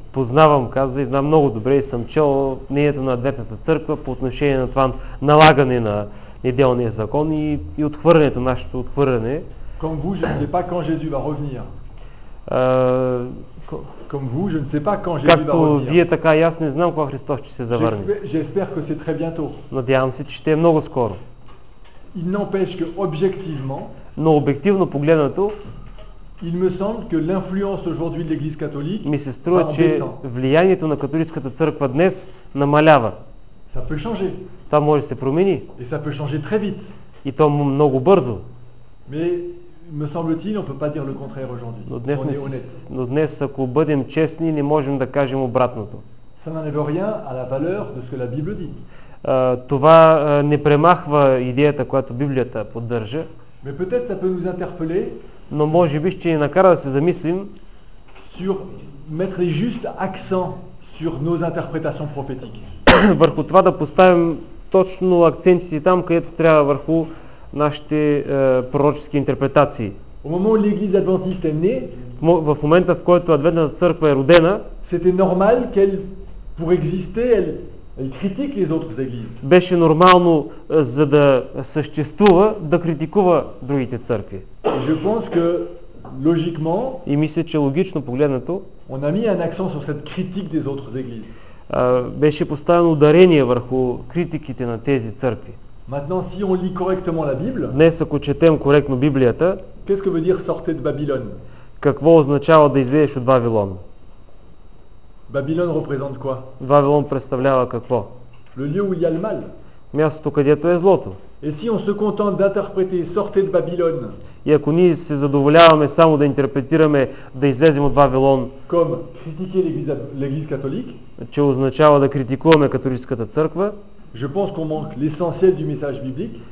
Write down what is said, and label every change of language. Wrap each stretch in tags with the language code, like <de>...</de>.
<bg>Познавам, казва, и знам много добре и съм чел мнението на Адвентната църква по отношение на това налагане на неделния закон и отхвърлянето, нашето отхвърляне.</bg> <fr>Comme vous, je ne sais pas quand Jésus va revenir. Comme vous, je ne sais pas quand Jésus va revenir.</fr> <bg>Така, аз не знам кога Христос ще се завърне.</bg> <fr>J'espère que c'est très bientôt.</fr> <bg>Надявам се, че ще е много скоро.</bg> <fr>Il n'empêche que objectivement,</fr> <bg>но обективно погледнато,</bg> <fr>il me semble que l'influence aujourd'hui de l'église catholique,</fr> <bg>ми се струва, че влиянието на католическата църква днес намалява.</bg> <fr>Ça peut changer.</fr> <bg>Това може да се промени.</bg> <fr>Et ça peut changer très vite.</fr> <bg>И то много бързо.</bg> <fr>Mais me semble-t-il, on peut pas dire le contraire aujourd'hui.</fr> <bg>Но днес, но днес ако бъдем честни, не можем да кажем обратното.</bg> <fr>Ça n'enlève rien à la valeur de ce que la Bible dit.</fr> <bg>Това не премахва идеята, която Библията поддържа.</bg> <fr>Mais peut-être ça peut nous interpeller.</fr> <bg>Но може би ще ни накара да се замислим</bg> <fr>sur mettre les justes accents sur nos interprétations prophétiques.</fr> <bg>Върху това да поставим точно акцентите там, където трябва, върху нашите пророчески интерпретации.</bg> <fr>Au moment où l'église adventiste est née,</fr> <bg>в момента, в който адвентната църква е родена,</bg> <fr>c'était normal qu'elle pour exister, elle critique les autres églises.</fr> <bg>Беше нормално, за да съществува, да критикува другите църкви.</bg> <fr>Je pense que logiquement,</fr> <bg>и мисля, че логично погледнато,</bg> <fr>on a mis un accent sur cette critique des autres églises.</fr> <bg>Беше поставено ударение върху критиките на тези църкви.</bg> <fr>Maintenant, si on lit correctement la Bible,</fr> <bg>днес, ако четем коректно Библията,</bg> <fr>qu'est-ce que veut dire sortez de Babylone?</fr> <bg>Какво означава да излезеш от Вавилон?</bg> <fr>Babylone représente quoi?</fr> <bg>Вавилон представлява какво?</bg> <fr>Le lieu où il y a le mal.</fr> <bg>Мястото, където е злото.</bg> <fr>Et si on se contente d'interpréter sortez de Babylone?</fr> <bg>И ако ние се задоволяваме само да интерпретираме да излезем от Вавилон,</bg> <fr>comme critiquer l'église catholique?</fr> <bg>Че означава да критикуваме католическата църква?</bg> <fr>Je pense qu'on manque l'essentiel du message biblique.</fr>